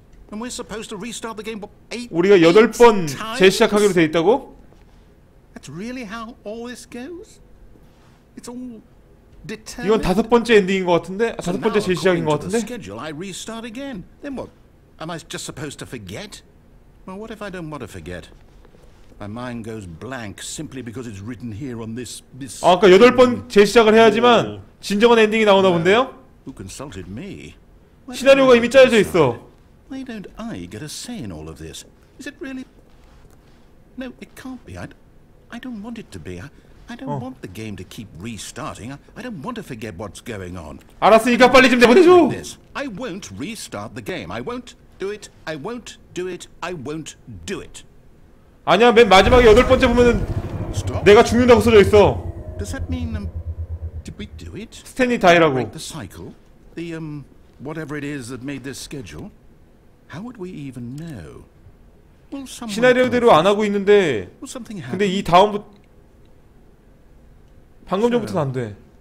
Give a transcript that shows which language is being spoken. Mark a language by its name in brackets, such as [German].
[English] And we're supposed to restart the game 8 times. [Korean] 우리가 여덟 번 재시작하기로 돼 있다고? [English] That's really how all this goes. It's all determined. [Korean] 이건 다섯 번째 엔딩인 것 같은데? 아, 다섯 번째 재시작인 것 같은데? [English] Schedule. I restart again. Then what? Am I just supposed to forget? Well, what if I don't want to forget? My mind goes blank simply because it's written here on this. [Korean] 아까 여덟 번 재시작을 해야지만 진정한 엔딩이 나오나 본데요? [English] Who consulted me? [Korean] 시나리오가 이미 짜여져 있어. [English] Why don't I get a say in all of this? Is it really? No, it can't be. I don't want it to be. I don't want the game to keep restarting. I don't want to forget what's going on. [Korean] 알았으니까 빨리 좀 내보내줘. [English] I won't restart the game. I won't do it. I won't do it. I won't do it. [Korean] 아니야, 맨 마지막에 여덟 번째 보면은 Stop. 내가 죽는다고 써져 있어. [English] Does that mean did we do it? [Korean] 스탠리 다이라고. [English] The cycle, the whatever it is that made this schedule. How would we even know? [Korean] Well, 시나리오대로 안 하고 있는데. Well, 근데 이 다음부 방금 전부터는 안 돼.